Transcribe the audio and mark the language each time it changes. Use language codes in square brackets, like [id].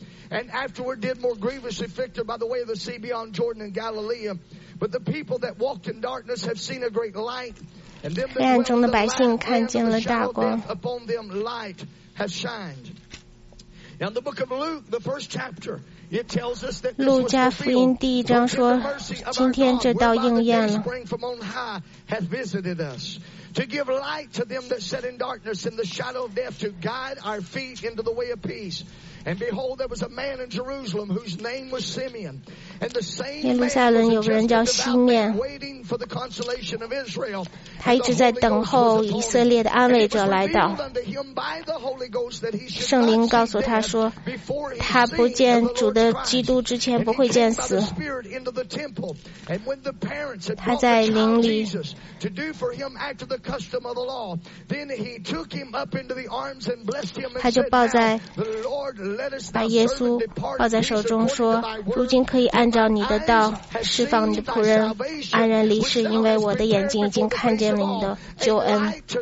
[en] And afterward did more grievously afflict her by the way of the sea beyond Jordan and Galilee. But the people that walked in darkness have seen a great light. [zh] 黑暗中的百姓看见了大光。 [en] Upon them light has shined. In the book of Luke, the first chapter, it tells us that. [zh] 路加福音第一章说，今天这道应验了。 [en] Spring from on high has visited us to give light to them that sit in darkness in the shadow of death to guide our feet into the way of peace. And behold, there was a man in Jerusalem whose name was Simeon. And the same man was just waiting for the consolation of Israel. He was waiting for the consolation of Israel. And it was revealed unto him by the Holy Ghost that he should see death before he sees the Lord Christ. And he came by the Spirit into the temple. And when the parents had brought the child Jesus to do for him after the custom of the law, then he took him up into the arms and blessed him and said, The Lord Lord. [zh] 把耶稣抱在手中说，如今可以按照你的道释放你的仆人安然离世，因为我的眼睛已经看见了你的救恩。